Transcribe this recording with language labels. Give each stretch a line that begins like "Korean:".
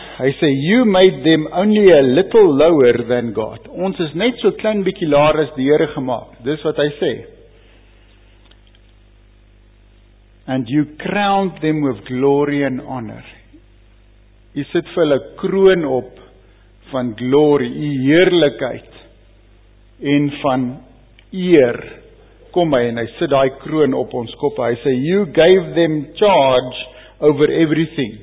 Afrikaans: Hy sê,
English: you made them only a little lower than God.
Afrikaans: Ons is net so klein bietjie laer as die Here gemaak. Dis wat hy sê.
English: And you crowned them with glory and honor.
Afrikaans: Jy sit vir hulle kroon op van glory, jy heerlikheid en van eer. Kom hy en hy sit die kroon op ons koppe. Hy sê,
English: you gave them charge over everything.